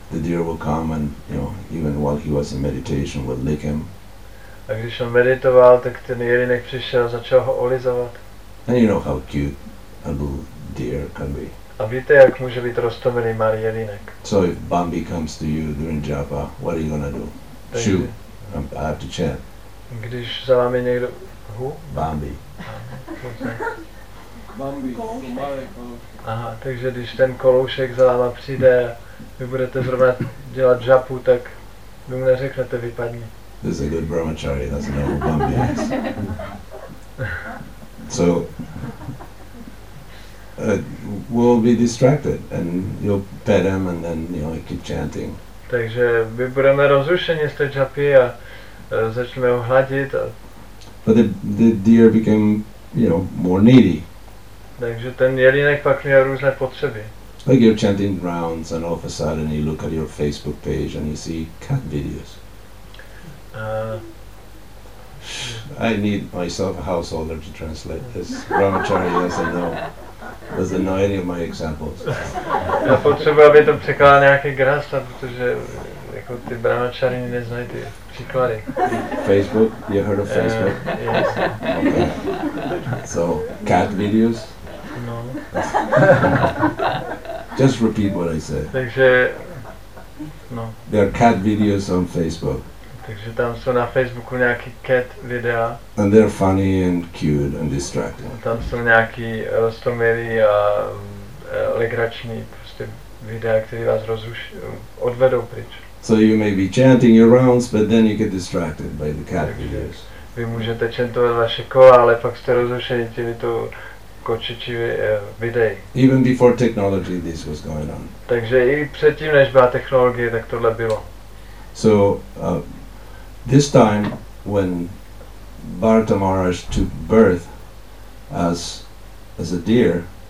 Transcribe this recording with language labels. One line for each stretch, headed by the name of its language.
English: The deer will come and, you know, even while he was in meditation, would lick him.
Czech: A když on meditoval, tak ten jelínek přišel, začal ho olizovat.
English: And you know how cute a little deer can be.
Czech: A víte, jak může být roztomilý malý jelínek.
English: So if Bambi comes to you during japa, what are you gonna do? Shoo, I have to chant.
Czech: Když za vámi někdo...
English: Who? Bambi.
Czech: Bambi, malý koloušek. Aha, takže když ten koloušek za váma přijde a vy budete zrovna dělat japu, tak vy mu neřeknete, vypadni.
English: This is a good brahmachari, that's a noble Bambi. So... will be distracted and you'll pet him and then, you know, keep chanting.
Czech: Takže my budeme rozrušeni z té džapy a začneme ho hladit. A
English: but the deer became, you know, more needy.
Czech: Takže ten jelínek pak měl různé potřeby.
English: Like you're chanting rounds and all of a sudden you look at your Facebook page and you see cat videos. I need myself a householder to translate this. Brahmachari doesn't know. Doesn't know any of my examples.
Czech: Já potřebuji, aby to překládal nějaký grasa, protože jako ty brahmačary neznají ty příklady.
English: Facebook? You heard of Facebook? Yes. Okay. So, cat videos? No. Just repeat what I said.
Czech: Takže, no.
English: There are cat videos on Facebook.
Czech: Takže tam jsou na Facebooku nějaký cat videa.
English: And they're funny and cute and distracting.
Czech: Tam jsou nějaký roztomilý a legrační prostě videa, které vás rozruší, odvedou pryč.
English: So you may be chanting your rounds, but then you get distracted by the cat videos.
Czech: Vy můžete chantovat vaše kola, ale pak jste rozrušeni těmi tu kočičí videí.
English: Even before technology this was going on.
Czech: Takže i předtím, než byla technologie, tak tohle bylo.
English: So this time, when Bharata Maharaj took birth as a deer,